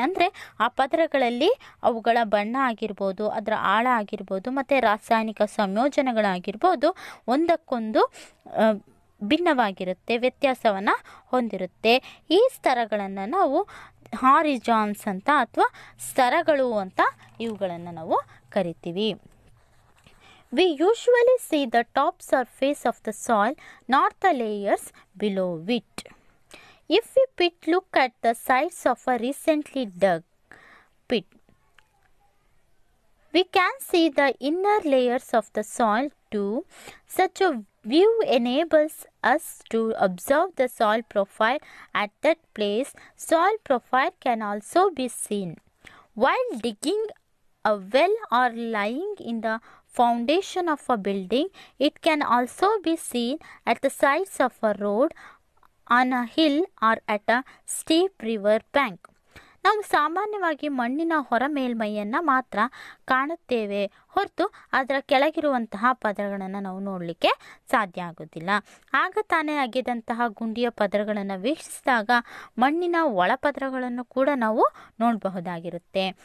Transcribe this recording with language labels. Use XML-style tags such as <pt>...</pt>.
<kn>ಅಂದರೆ ಆ ಪದರಗಳಲ್ಲಿ ಅವುಗಳ ಬಣ್ಣ ಆಗಿರ್ಬೋದು, ಅದರ ಆಳ ಆಗಿರ್ಬೋದು, ಮತ್ತು ರಾಸಾಯನಿಕ ಸಂಯೋಜನೆಗಳಾಗಿರ್ಬೋದು ಒಂದಕ್ಕೊಂದು ಭಿನ್ನವಾಗಿರುತ್ತೆ, ವ್ಯತ್ಯಾಸವನ್ನು ಹೊಂದಿರುತ್ತೆ. ಈ ಸ್ತರಗಳನ್ನು ನಾವು ಹಾರಿಜಾನ್ಸ್ ಅಂತ ಅಥವಾ ಸ್ತರಗಳು ಅಂತ ಇವುಗಳನ್ನು ನಾವು ಕರಿತೀವಿ.</kn> <en>We usually see the top surface of the soil, not the layers below it. If we pit look at the sides of a recently dug pit, we can see the inner layers of the soil too. Such a view enables us to observe the soil profile at that place. Soil profile can also be seen. While digging a well or lying in the foundation of a building, it can also be seen at the sides of a road, on a hill or at a steep river bank.</en> <kn>ನಾವು ಸಾಮಾನ್ಯವಾಗಿ ಮಣ್ಣಿನ ಹೊರ ಮೇಲ್ಮೈಯನ್ನು ಮಾತ್ರ ಕಾಣುತ್ತೇವೆ ಹೊರತು ಅದರ ಕೆಳಗಿರುವಂತಹ ಪದರಗಳನ್ನು ನಾವು ನೋಡಲಿಕ್ಕೆ ಸಾಧ್ಯ ಆಗೋದಿಲ್ಲ. ಆಗ ತಾನೇ ಅಗೆದಂತಹ ಗುಂಡಿಯ ಪದರಗಳನ್ನು ವೀಕ್ಷಿಸಿದಾಗ ಮಣ್ಣಿನ ಒಳಪದರಗಳನ್ನು ಕೂಡ ನಾವು ನೋಡಬಹುದಾಗಿರುತ್ತೆ.</kn>